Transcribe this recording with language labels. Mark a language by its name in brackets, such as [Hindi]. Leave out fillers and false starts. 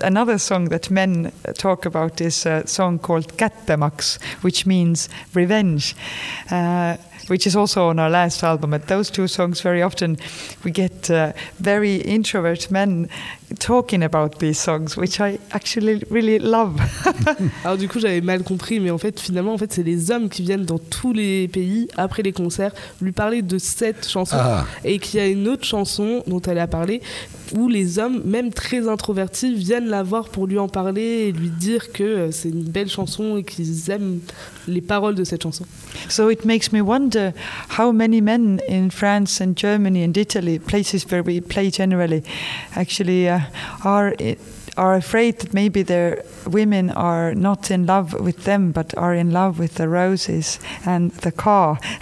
[English] Another song that men talk about is a song called Kättemaks, which means revenge, which is also on our last album. But those two songs, very often we get very introvert men talking about these songs, which I actually really love. [French] Alors du coup, j'avais mal compris, mais en fait, c'est les hommes qui viennent dans tous les pays après les concerts lui parler de cette chanson. Ah. Et qu'il y a une autre chanson dont elle a parlé où les hommes, même très introvertis, viennent la voir pour lui en parler et lui dire que c'est une belle chanson et qu'ils aiment les paroles de cette chanson. [English] So it makes me wonder how many men in France and Germany and Italy, places where we play generally, actually are afraid that maybe their women are not in love with them, but are in love with the roses and the car.